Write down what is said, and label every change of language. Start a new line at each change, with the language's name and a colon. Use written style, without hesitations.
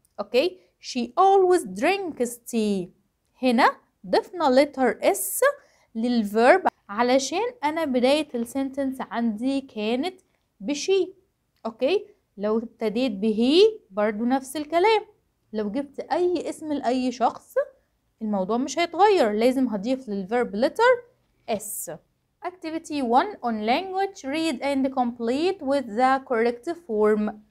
English: Okay, she always drinks tea.
Arabic: هنا ضفنا letter s للverb علشان انا بداية السنتنس عندي كانت بشي. اوكي، لو ابتديت به برضو نفس الكلام، لو جبت اي اسم لاي شخص الموضوع مش هيتغير، لازم هضيف للverb letter s.
English: Activity 1 on language, read and complete with the correct form.